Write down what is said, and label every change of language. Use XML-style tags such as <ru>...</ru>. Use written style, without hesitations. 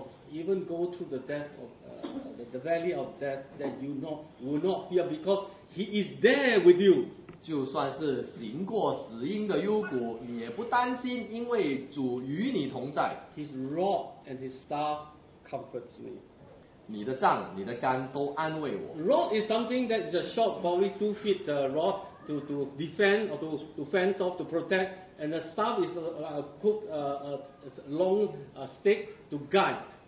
<en>Even go through the death of the valley of death that you not will not fear because he is there with you.</en> <zh>就算是行过死荫的幽谷，你也不担心，因为主与你同在。</zh> <en>His rod and his staff comforts me.</en> <zh>你的杖、你的竿都安慰我。</zh> <en>Rod is something that is a short, probably 2 feet rod to defend or to fence off to protect, and the staff is a crooked long stick to guide.</en>